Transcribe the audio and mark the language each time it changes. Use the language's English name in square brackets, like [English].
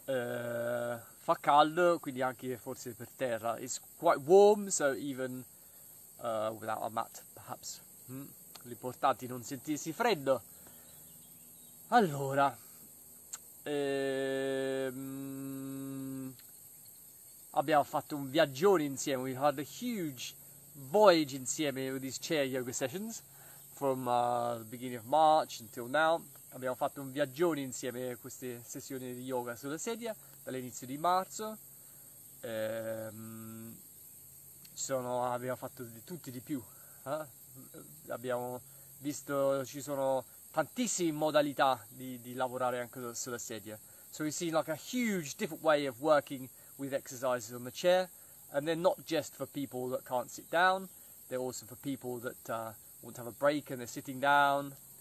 [Italian] So fa caldo, quindi anche forse per terra. [English] It's quite warm, so even without a mat perhaps. [Italian] L'importante è non sentirsi freddo. Allora abbiamo fatto un viaggione insieme. [English] We had a huge voyage [Italian] insieme [English] with these chair yoga sessions from the beginning of March until now. [Italian] Abbiamo fatto un viaggione insieme a queste sessioni di yoga sulla sedia dall'inizio di marzo. Abbiamo fatto di tutti di più. Abbiamo visto, ci sono tantissime modalità di lavorare anche sulla sedia. [English] So we've seen like a huge different way of working with exercises on the chair, and they're not just for people that can't sit down, they're also for people that want to have a break and they're sitting down.